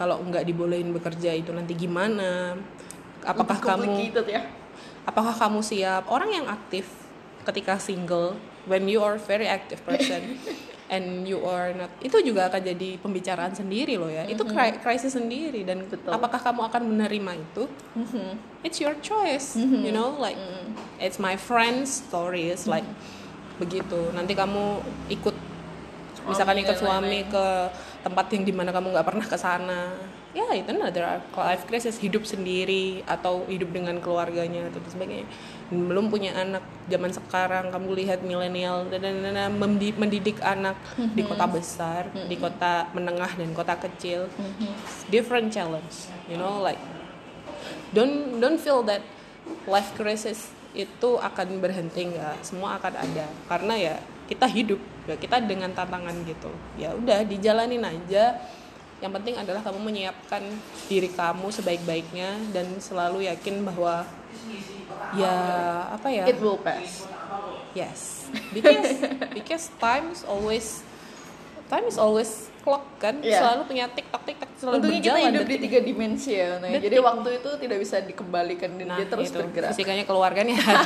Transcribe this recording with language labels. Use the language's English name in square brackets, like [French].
[Indonesian] Kalau enggak dibolehin bekerja itu nanti gimana? Apakah kamu ya? Apakah kamu siap? Orang yang aktif ketika single, [English] when you are very active person and you are not, [Indonesian] itu juga akan jadi pembicaraan sendiri loh ya. Itu krisis sendiri dan betul. Apakah kamu akan menerima itu? [English] It's your choice, you know, like it's my friend's story, it's like begitu. [Indonesian] Nanti kamu ikut misalkan ikut suami ke tempat yang dimana kamu enggak pernah ke sana. Ya itu another life crisis, hidup sendiri atau hidup dengan keluarganya atau sebagainya, belum punya anak zaman sekarang, kamu lihat milenial dan mendidik anak di kota besar, di kota menengah dan kota kecil, [English] different challenge, you know, like don't feel that life crisis [Indonesian] itu akan berhenti, enggak, semua akan ada karena ya kita hidup ya, kita dengan tantangan gitu, ya udah dijalanin aja. Yang penting adalah kamu menyiapkan diri kamu sebaik-baiknya dan selalu yakin bahwa ya apa ya, [English] it will pass. Yes, because time is always clock kan, yeah. [Indonesian] Selalu punya tik-tok-tik-tok, selalu untungnya berjalan. Untungnya kita hidup di 3 dimensi ya, jadi waktu itu tidak bisa dikembalikan dan nah, dia terus itu bergerak. Fisikanya keluarganya.